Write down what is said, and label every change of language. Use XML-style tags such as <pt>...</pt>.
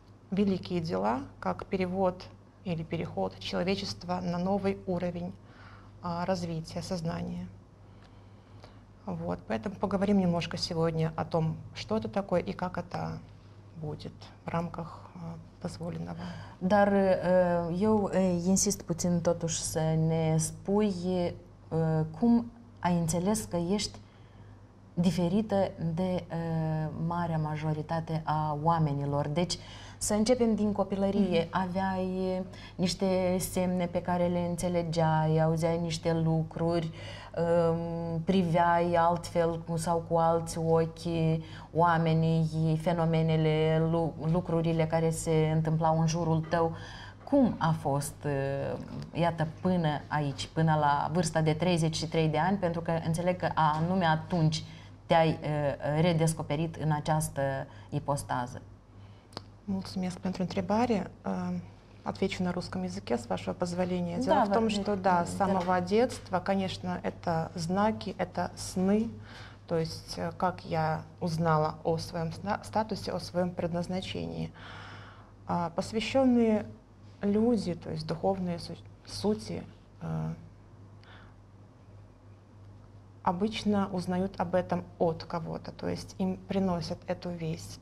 <ru>великие дела, как перевод или переход человечества на новый уровень развития сознания. Вот, поэтому поговорим немножко сегодня о том, что это такое и как это будет в рамках позволенного.</ru> <ro>Dar eu insist puțin totuși să ne spui cum ai înțeles că ești diferită de marea majoritate a oamenilor. Deci să începem din copilărie. Aveai niște semne pe care le înțelegeai, auzeai niște lucruri, priveai altfel sau cu alți ochi oamenii, fenomenele, lucrurile care se întâmplau în jurul tău. Cum a fost, iată, până aici, până la vârsta de 33 de ani? Pentru că înțeleg că anume atunci te-ai redescoperit în această ipostază. Mulțumesc pentru întrebare.</ro> <ru>Отвечу на русском языке, с вашего позволения. Дело в том, что да, с самого детства, конечно, это знаки, это сны. То есть, как я узнала о своем статусе, о своем предназначении. Посвященные люди, то есть духовные сути, обычно узнают об этом от кого-то, то есть им приносят эту весть.</ru>